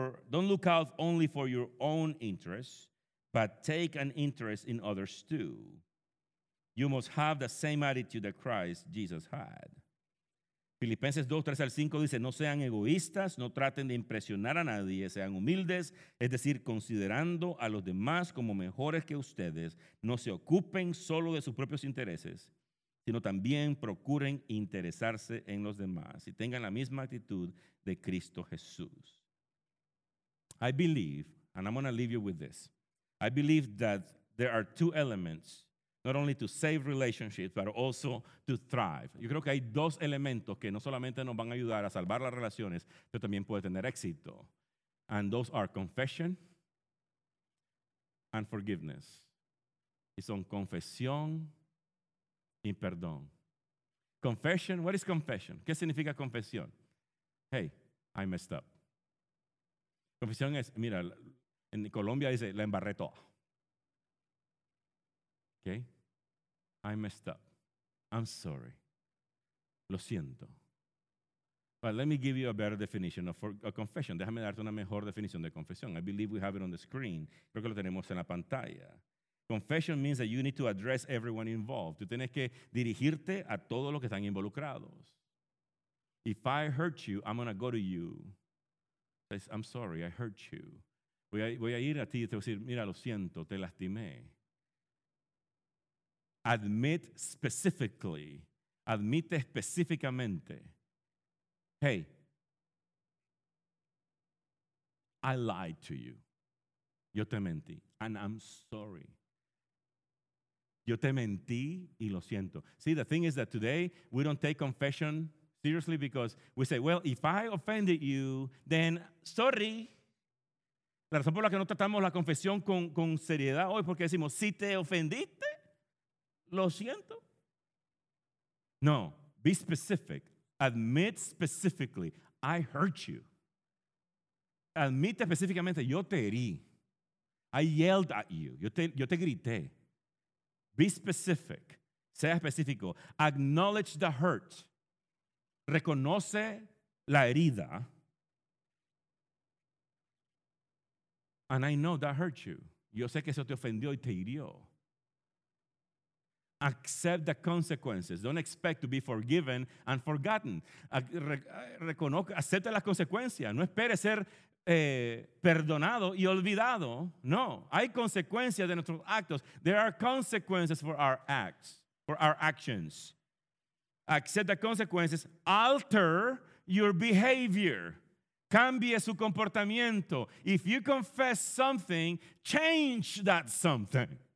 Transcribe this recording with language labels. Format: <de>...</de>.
<en>Don't look out only for your own interests, but take an interest in others too. You must have the same attitude that Christ Jesus had.</en> <es>Filipenses 2:3-5 dice, no sean egoístas, no traten de impresionar a nadie, sean humildes, es decir, considerando a los demás como mejores que ustedes, no se ocupen solo de sus propios intereses, sino también procuren interesarse en los demás y tengan la misma actitud de Cristo Jesús.</es> <en>I believe, and I'm going to leave you with this, I believe that there are two elements not only to save relationships, but also to thrive.</en> <es>Yo creo que hay dos elementos que no solamente nos van a ayudar a salvar las relaciones, pero también puede tener éxito.</es> <en>And those are confession and forgiveness.</en> <es>y son confesión y perdón.</es> <en>Confession, what is confession?</en> <es>¿Qué significa confesión?</es> <en>Hey, I messed up.</en> <es>Confesión es, mira, en Colombia dice, la embarré toda.</es> <en>Okay. I messed up. I'm sorry.</en> <es>Lo siento.</es> <en>But let me give you a better definition of a confession.</en> <es>Déjame darte una mejor definición de confesión.</es> <en>I believe we have it on the screen.</en> <es>Creo que lo tenemos en la pantalla.</es> <en>Confession means that you need to address everyone involved.</en> <es>Tú tienes que dirigirte a todos los que están involucrados.</es> <en>If I hurt you, I'm going to go to you. I'm sorry, I hurt you.</en> <es>Voy a ir a ti y te voy a decir, mira, lo siento, te lastimé.</es> <en>Admit specifically.</en> <es>Admite específicamente.</es> <en>Hey, I lied to you.</en> <es>Yo te mentí.</es> <en>And I'm sorry.</en> <es>Yo te mentí y lo siento.</es> <en>See, the thing is that today we don't take confession seriously because we say, well, if I offended you, then sorry.</en> <es>La razón por la que no tratamos la confesión con seriedad hoy porque decimos, si te ofendiste, lo siento.</es> <en>No, be specific. Admit specifically, I hurt you.</en> <es>Admite específicamente, yo te herí.</es> <en>I yelled at you.</en> <es>Yo te grité.</es> <en>Be specific.</en> <es>Sea específico.</es> <en>Acknowledge the hurt.</en> <es>Reconoce la herida.</es> <en>And I know that hurt you.</en> <es>Yo sé que eso te ofendió y te hirió.</es> <en>Accept the consequences. Don't expect to be forgiven and forgotten.</en> <es>Acepta las consecuencias. No espere ser perdonado y olvidado. No. Hay consecuencias de nuestros actos.</es> <en>There are consequences for our acts, for our actions. Accept the consequences. Alter your behavior.</en> <es>Cambie su comportamiento.</es> <en>If you confess something, change that something.</en>